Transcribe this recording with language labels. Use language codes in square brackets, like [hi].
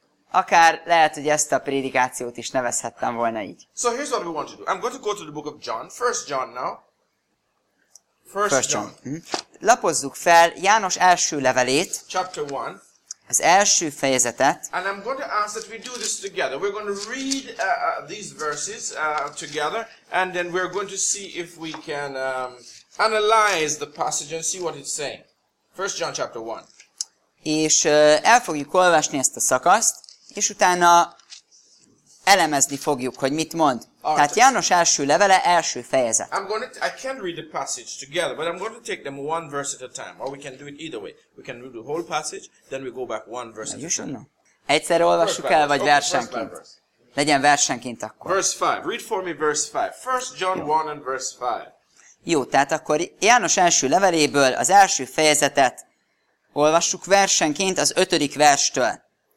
[hu] Akár lehet, hogy ezt a prédikációt is nevezhettem volna így. [en] So here's what we want to do. I'm going to go to the book of John. First John now. First John. Mm-hmm. [hu] Lapozzuk fel János első levelét. [en] Chapter 1. [hu] Az első fejezetet. [en] And I'm going to ask that we do this together. We're going to read these verses together. And then we're going to see if we can analyze the passage and see what it's saying. First John chapter 1. [hu] És el fogjuk olvasni ezt a szakaszt. És utána elemezni fogjuk, hogy mit mond. Right. Tehát János első levele, első fejezet. [en] I can read the passage together, but I'm going to take them one verse at a time. Or we can do it either way. We can read the whole passage, then we go back one verse at a time. No. [hu] Egyszerre olvassuk el, vagy versenként. Legyen versenként akkor. [en] Verse 5. Read for me verse 5. First John 1 and verse 5. [hu] Jó, tehát akkor János első leveléből az első fejezetet olvassuk versenként az ötödik verstől.